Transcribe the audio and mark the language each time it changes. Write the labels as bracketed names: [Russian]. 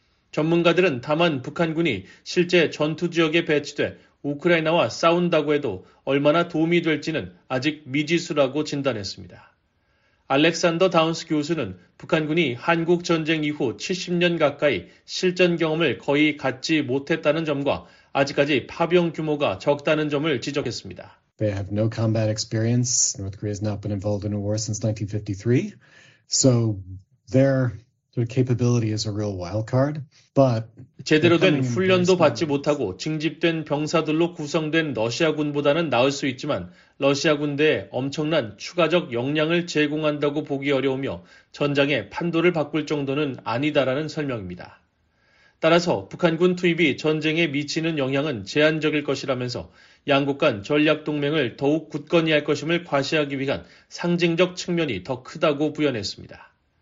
[Korean] 전문가들은 다만 북한군이 실제 전투지역에 배치돼 우크라이나와 싸운다고 해도 얼마나 도움이 될지는 아직 미지수라고 진단했습니다. 알렉산더 다운스 교수는 북한군이 한국전쟁 이후 70년 가까이 실전 경험을 거의 갖지 못했다는 점과 아직까지 파병 규모가 적다는 점을 지적했습니다. [English] They have no combat experience. North Korea has not been involved in a war since 1953. So their capability is a real wild card. But [Korean] 제대로 된 훈련도 받지 못하고 징집된 병사들로 구성된 러시아군보다는 나을 수 있지만 러시아군대에 엄청난 추가적 역량을 제공한다고 보기 어려우며 전장의 판도를 바꿀 정도는 아니다라는 설명입니다. 따라서 북한군 투입이 전쟁에 미치는 영향은 제한적일 것이라면서 양국 간 전략 동맹을 더욱 굳건히 할 것임을 과시하기 위한 상징적 측면이 더 크다고 부연했습니다.